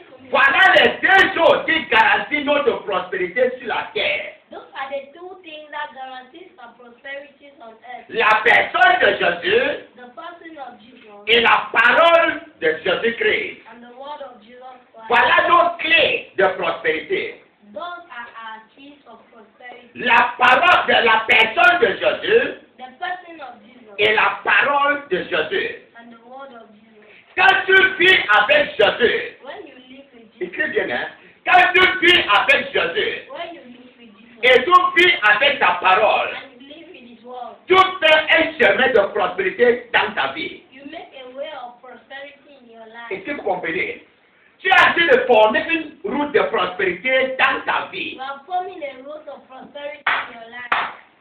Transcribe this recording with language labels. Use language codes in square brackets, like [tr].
[fr] Voilà les deux choses qui garantissent notre prospérité sur la terre. [en] Those are the two things that guarantees our prosperity on earth. [fr] La personne de Jésus. [en] The person of Jesus. [fr] Et la parole de Jésus-Christ. [en] And the word of Jesus Christ. [fr] Voilà nos clés de prospérité. [en] Those are our keys of prosperity. [fr] La parole de la personne de Jésus. [en] The person of Jesus. [fr] Et la parole de Jésus. [en] And the word of Jesus. [fr] Quand tu vis avec Jésus, [en] when you live with Jesus, [fr] écris bien, hein? Quand tu vis avec Jésus, [en] when you live with Jesus, [fr] et tu vis avec ta parole, [en] and you live in his word, [fr] tu fais un chemin de prospérité dans ta vie. [en] You make a way of prosperity in your life. [fr] Est-ce que vous comprenez? Tu as dû former une route de prospérité dans ta vie. [en] You are forming a route of prosperity in your life.